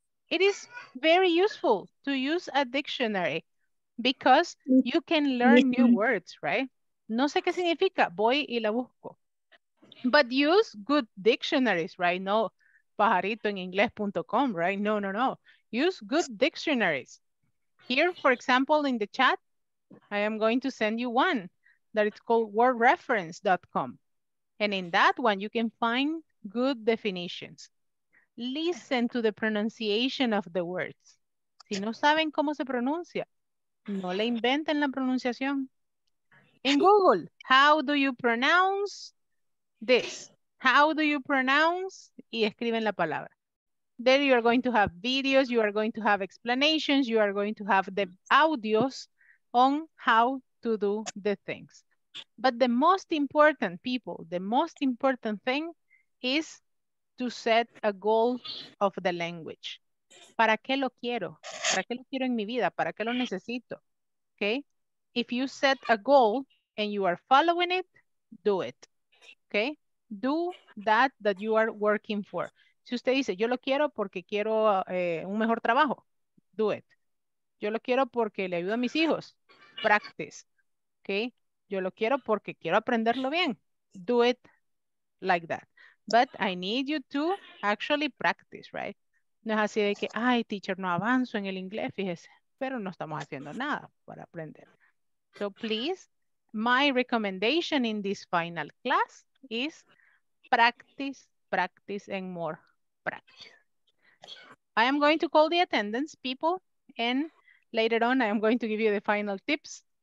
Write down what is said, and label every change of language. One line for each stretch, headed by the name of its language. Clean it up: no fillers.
English: It is very useful to use a dictionary because you can learn new words, right?
Spanish: No sé qué significa, voy y la busco.
English: But use good dictionaries, right? No pajaritoeninglés.com, right? No, no, no. Use good dictionaries. Here, for example, in the chat, I am going to send you one that it's called wordreference.com. And in that one, you can find good definitions. Listen to the pronunciation of the words.
Spanish: Si no saben cómo se pronuncia, no le inventen la pronunciación.
English: In Google, how do you pronounce this? How do you pronounce?
Spanish: Y escriben la palabra.
English: There you are going to have videos, you are going to have explanations, you are going to have the audios on how to do the things. But the most important, people, the most important thing is to set a goal of the language.
Spanish: ¿Para qué lo quiero? ¿Para qué lo quiero en mi vida? ¿Para qué lo necesito? Okay?
English: If you set a goal and you are following it, do it. Okay? Do that you are working for.
Spanish: Si usted dice, yo lo quiero porque quiero un mejor trabajo,
English: do it.
Spanish: Yo lo quiero porque le ayudo a mis hijos, practice. Okay? Yo lo quiero porque quiero aprenderlo bien,
English: do it like that. But I need you to actually practice, right?
Spanish: No es así de que, ay, teacher, no avanzo en el inglés, fíjese. Pero no estamos haciendo nada para aprender.
English: So please, my recommendation in this final class is practice, practice, and more practice. I am going to call the attendance people, and later on I am going to give you the final tips.